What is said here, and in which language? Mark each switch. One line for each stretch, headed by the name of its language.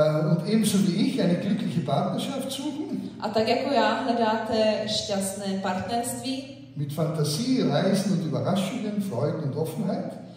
German: Und ebenso wie ich eine glückliche Partnerschaft suchen.
Czech: A tak jako já hledáte šťastné partnerství.
German: mit Fantasie, Reisen und Überraschungen, Freuden und Offenheit.